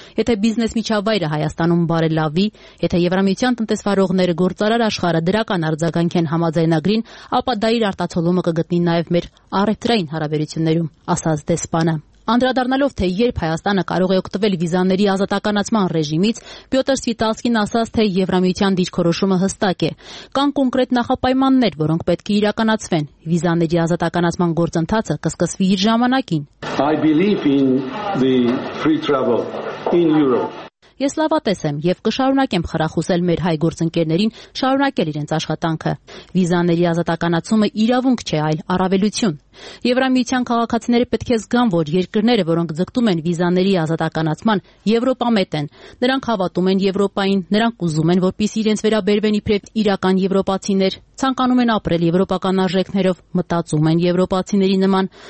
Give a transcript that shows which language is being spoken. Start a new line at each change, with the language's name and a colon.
Armenian: Եթե բիզնես միջավայրը Հայաստանում բարելավվի, եթե Եվրամիության տնտեսվարողները գործարար աշխարհը դրական արձագանք են համաձայնագրին, ապա դա իր արտացոլումը կգտնի նաև մեր առևտրային հարաբերություններում, ասաց դեսպանը։ Անդրադառնալով, թե երբ Հայաստանը կարող է օգտվել վիզաների ազատականացման ռեժիմից, Պյոտր Սվիտալսկին ասաց, թե Եվրամիության դիրքորոշումը հստակ է։ Կան կոնկրետ նախապայմաններ, որոնք պետք է իրականացվեն։ Վիզաների ազատականացման գործընթացը կսկսվի իր ժամանակին։
English: I believe in the free travel in Europe.
Armenian: Ես լավատես եմ և կշարունակեմ խրախուսել մեր հայ գործընկերներին շարունակել իրենց աշխատանքը։ Վիզաների ազատականացումը իրավունք չէ, այլ առավելություն։ Եվրամիության քաղաքացիները պետք է զգան, որ երկրները, որոնք ձգտում են վիզաների ազատականացման, Եվրոպամետ են։ Նրանք հավատում են Եվրոպային, նրանք ուզում են, որպեսզի իրենց վերաբերվեն իբրև իրական եվրոպացիներ, ցանկանում են ապրել եվրոպական արժեքներով, մտածում են եվրոպացիների նման։